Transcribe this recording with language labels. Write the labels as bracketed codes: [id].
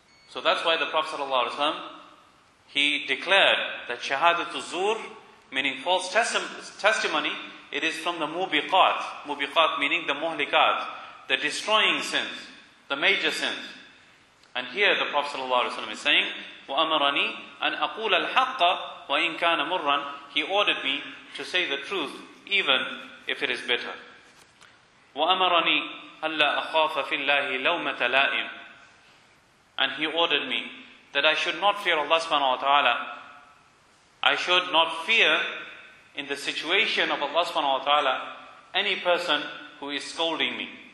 [en] So that's why the Prophet ﷺ, he declared that shahadatu zur, meaning false testimony, it is from the mubiqat. Mubiqat meaning the muhlikat, the destroying sins, the major sins. And here the Prophet ﷺ is saying, [ar] وَأَمَرَنِي أَنْ أَقُولَ الْحَقَّ وَإِنْ كَانَ مُرًّا. [en] He ordered me to say the truth even if it is bitter. [ar] وَأَمَرَنِي أَلَّا أَخَافَ فِي اللَّهِ لَوْمَةَ لَائِمٍ. [en] And he ordered me that I should not fear Allah subhanahu wa ta'ala. I should not fear in the situation of Allah subhanahu wa ta'ala any person who is scolding me.